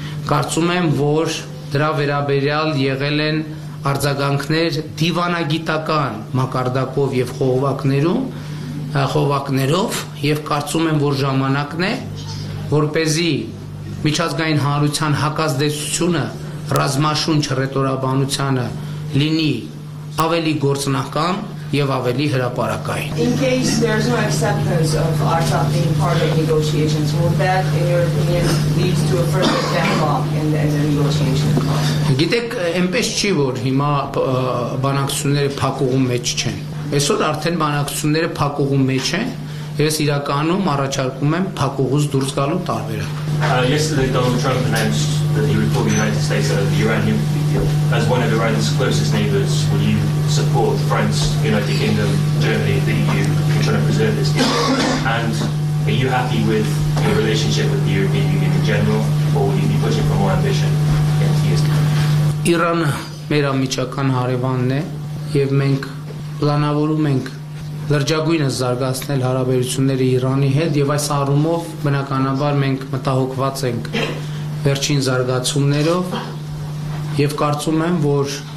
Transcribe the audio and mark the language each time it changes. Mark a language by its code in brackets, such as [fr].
[hy] կարծում եմ, որ դրա վերաբերյալ եղել են արձագանքներ դիվանագիտական մակարդակով եւ խողովակներով, եւ կարծում եմ, որ ժամանակն է, որպեսզի միջազգային հանրության հակազդեցությունը ռազմաշունչ ռետորաբանությանը լինի ավելի գործնական եւ ավելի հրապարակային։ [en] In case there's no acceptance of Artsakh being part of negotiations, will that, in your opinion, leads to a further deadlock in the negotiation process? Գիտեք, այնպես չի, որ հիմա բանակցությունները փակուղու մեջ չեն։ Այսօր արդեն բանակցությունները փակուղու մեջ են, ես իրականում առաջարկում եմ փակուղուց դուրս գալու տարբերակ։ Yes, the Donald Trump announced that he would pull the United States out of the uranium deal. As one of Iran's closest neighbors, will you support France, United Kingdom, Germany, the EU in trying to preserve this deal? And are you happy with your relationship with the European Union in general, or will you be pushing for more ambition in the years to come? [hy] Iran մեր ամիջական հարևանն է, եւ մենք պլանավորում ենք լրջագույնը զարգացնել հարաբերությունները Իրանի հետ, եւ այս առումով բնականաբար մենք մտահոգված ենք վերջին զարգացումներով, եւ կարծում եմ, որ